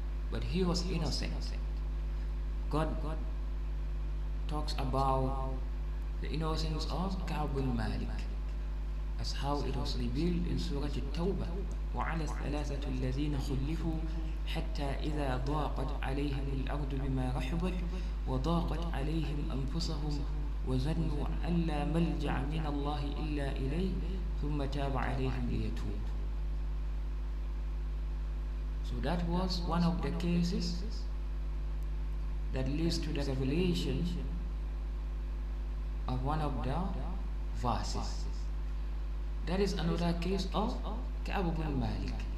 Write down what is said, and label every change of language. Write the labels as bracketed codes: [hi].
[en] But he was innocent. God talks about the innocence of Ka'b ibn Malik, as how it was revealed in Surah At-Tawbah. [ar] وعلى الثلاثة الذين خلفوا حتى إذا ضاقت عليهم الأرض بما رحبت وضاقت عليهم أنفسهم وظنوا ألا ملجأ من الله إلا إليه ثم تاب عليهم ليتوب. [en] So that was one of the cases that leads to the revelation of one of the verses. That is another case of Ka'b ibn Malik.